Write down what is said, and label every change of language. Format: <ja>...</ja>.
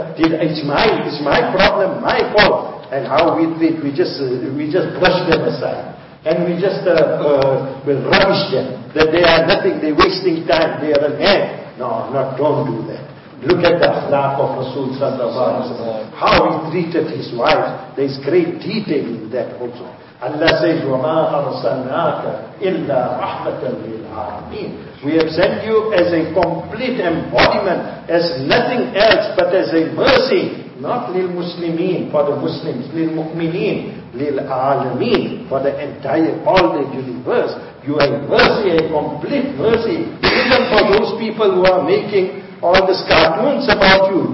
<en>It's my problem, my fault. And how we treat, we just brush them aside. And we just will rubbish them, that they are nothing, they're wasting time, they are an end. No, don't do that. Look at the akhlaq of Rasul sallallahu alayhi wa sallam. How he treated his wife, there is great detail in that also. Allah says,</en> <ar>وَمَا أَرْسَلْنَاكَ إِلَّا رَحْمَةً لِلْعَالَمِينَ.</ar> <en>We have sent you as a complete embodiment, as nothing else but as a mercy, not lil muslimin, for the Muslims, lil mu'mineen, lil alameen, for the entire, all the universe. You are a mercy, a complete mercy, even for those people who are making all these cartoons about you.</en>